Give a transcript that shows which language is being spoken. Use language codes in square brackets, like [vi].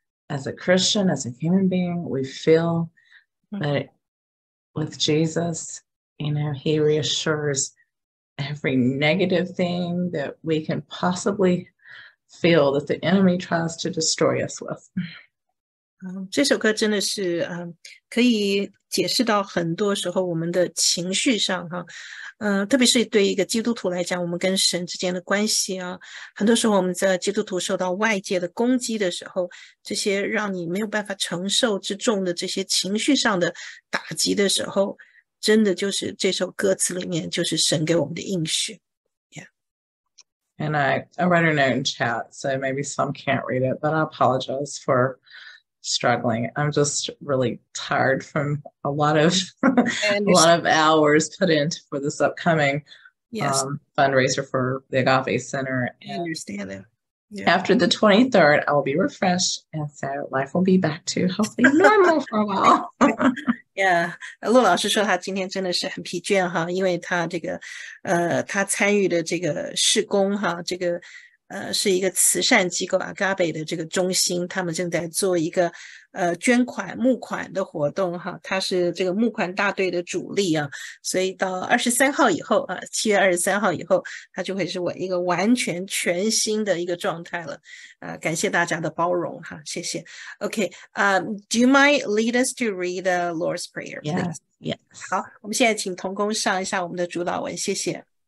[en] As a Christian, as a human being, we feel that with Jesus, you know, he reassures every negative thing that we can possibly feel that the enemy tries to destroy us with. [zh] 这首歌真的是可以解释到很多时候我们的情绪上哈，特别是对一个基督徒来讲，我们跟神之间的关系啊，很多时候我们在基督徒受到外界的攻击的时候，这些让你没有办法承受之重的这些情绪上的打击的时候，真的就是这首歌词里面就是神给我们的应许。 [en] Yeah. And I write a note in chat, so maybe some can't read it, but I apologize for struggling. I'm just really tired from a lot of hours put in for this upcoming fundraiser for the Agape Center. I understand that. Yeah. After the 23rd, I'll be refreshed, and so life will be back to hopefully normal for a while. [zh] Yeah, 陆老师说他今天真的是很疲倦哈，因为他这个，他参与的这个事工哈，这个，是一个慈善机构 Agape 的这个中心，他们正在做一个，捐款募款的活动哈，他是这个募款大队的主力啊，所以到23号以后啊，7月23号以后，他就会是我一个完全全新的一个状态了，感谢大家的包容哈，谢谢。 [en] OK， do you mind lead us to read the Lord's Prayer, please? Yes. [zh] 好，我们现在请同工上一下我们的主导文，谢谢。